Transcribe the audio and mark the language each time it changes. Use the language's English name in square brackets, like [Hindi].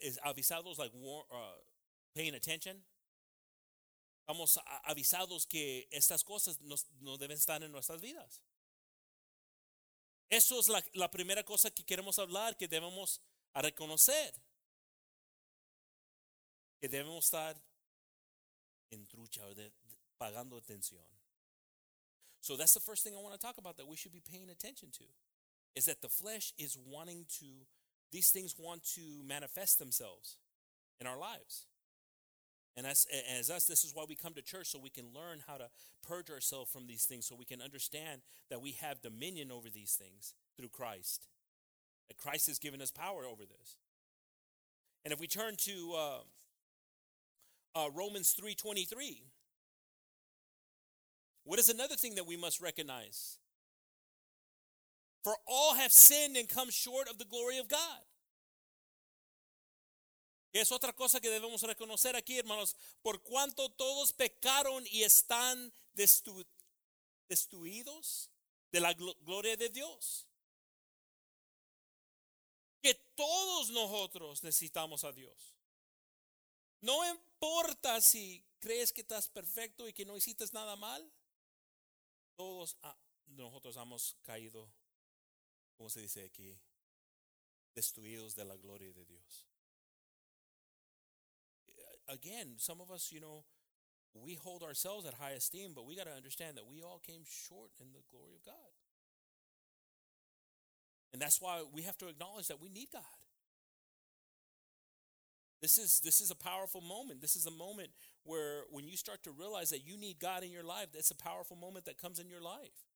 [Spanish] Es avisados, [English] like paying attention. [Spanish] Estamos avisados que estas cosas no deben estar en nuestras vidas. Eso es la primera cosa que queremos hablar, que debemos a reconocer. Que debemos estar en trucha o pagando atención. [English] So that's the first thing I want to talk about that we should be paying attention to. Is that the flesh is wanting to, these things want to manifest themselves in our lives. And as us, this is why we come to church, so we can learn how to purge ourselves from these things, so we can understand that we have dominion over these things through Christ. That Christ has given us power over this. And if we turn to Romans 3:23, what is another thing that we must recognize? For all have sinned and come short of the glory of God. [Spanish] Es otra cosa que debemos reconocer aquí, hermanos. Por cuanto todos pecaron y están destituidos de la gloria de Dios. Que todos nosotros necesitamos a Dios. No importa si crees que estás perfecto y que no hiciste nada mal. Todos nosotros hemos caído, como se dice aquí, destituidos de la gloria de Dios. [English] Again, some of us, you know, we hold ourselves at high esteem, but we got to understand that we all came short in the glory of God. And that's why we have to acknowledge that we need God. This is a powerful moment. This is a moment where when you start to realize that you need God in your life, that's a powerful moment that comes in your life.